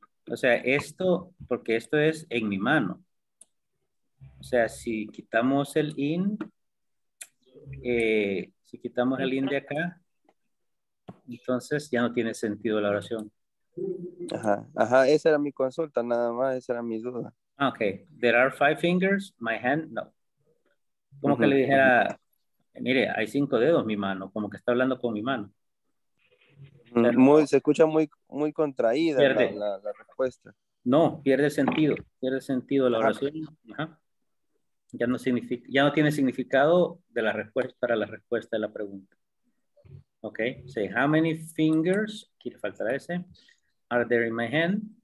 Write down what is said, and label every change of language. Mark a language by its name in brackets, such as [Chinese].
[Spanish] O sea, esto, porque esto es en mi mano. O sea, si quitamos el in, si quitamos el in de acá, entonces ya no tiene sentido la oración. Ajá, esa era mi consulta, nada más, esa era mi duda. [English] Ok, there are five fingers, my hand, no. [Spanish] Como que le dijera, mire, hay cinco dedos mi mano, como que está hablando con mi mano. Muy, se escucha muy, muy contraída la respuesta. No, pierde sentido la oración. Ajá. Ya no significa, ya no tiene significado de la respuesta para la respuesta de la pregunta. [English] Ok, say, how many fingers, [Spanish] aquí le faltará ese, [English] are there in my hand?